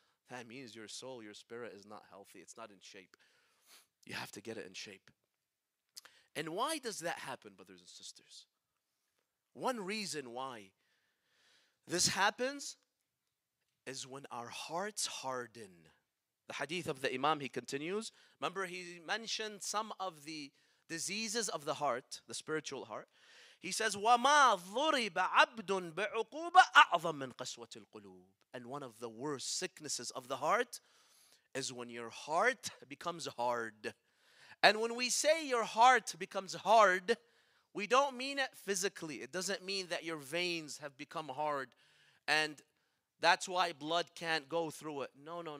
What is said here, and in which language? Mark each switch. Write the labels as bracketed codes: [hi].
[en] That means your soul, your spirit is not healthy. It's not in shape. You have to get it in shape. And why does that happen, brothers and sisters? One reason why this happens is when our hearts harden. The hadith of the Imam, he continues. Remember, he mentioned some of the diseases of the heart, the spiritual heart. He says, [ar] وَمَا ضُرِبَ عَبْدٌ بِعُقُوبَ أَعْظَمْ مِنْ قَسْوَةِ الْقُلُوبِ. [en] And one of the worst sicknesses of the heart is when your heart becomes hard. And when we say your heart becomes hard, we don't mean it physically. It doesn't mean that your veins have become hard and that's why blood can't go through it. No.